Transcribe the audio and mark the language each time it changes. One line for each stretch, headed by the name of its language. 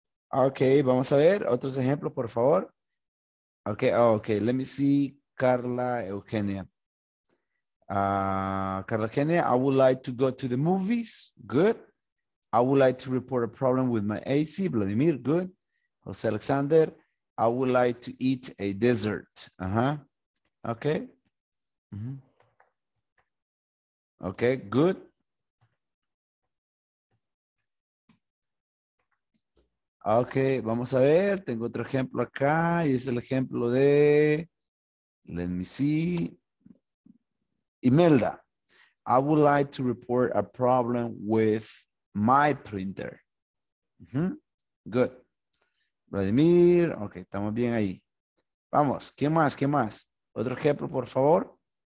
Spanish: Okay, vamos a ver otros ejemplos, por favor.
English: Okay, oh, okay, let me see Carla Eugenia. Carla Eugenia, I would like to go to the movies. Good. I would like to report a problem with my AC. Vladimir, good. Jose Alexander, I would like to eat a dessert. Uh-huh. Okay. Mm-hmm. Okay, good.
Spanish: Okay, vamos a ver. Tengo otro ejemplo acá. Y es el ejemplo de,
English: let me see,
Spanish: Imelda.
English: I would like to report a problem with my printer.
Spanish: Mm-hmm. Good. Vladimir, ok, estamos bien ahí. Vamos, ¿qué más? ¿Qué más? Otro ejemplo, por favor.